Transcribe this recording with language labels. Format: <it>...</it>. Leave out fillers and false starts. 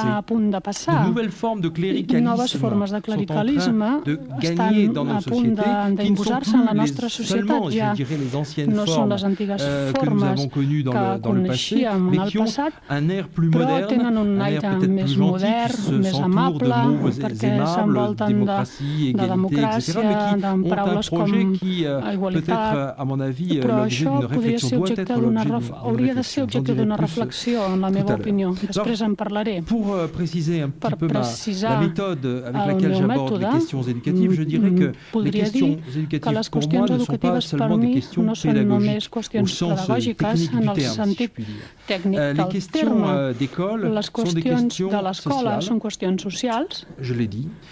<fr>De nouvelles formes de cléricalisme sont en train de gagner dans nos sociétés qui ne sont plus seulement, je dirais, les anciennes formes que nous avons connues dans le passé, mais qui ont un air plus moderne, un air peut-être plus gentil, qui s'entoure de mots aimables, démocratie, égalité, etc., mais qui ont un projet qui peut-être, à mon avis, l'objet d'une réflexion, doit être l'objet d'une</fr> <ca>hauria de ser objecte d'una reflexió, en la meva opinió. Després en parlaré.</ca> <fr>Pour préciser un petit peu la méthode avec laquelle j'aborde les questions éducatives, je dirais que les questions éducatives pour moi ne sont pas seulement des questions pédagogiques au sens technique du terme, si je puis dire. Les questions d'école sont des questions sociales, je l'ai dit.</fr>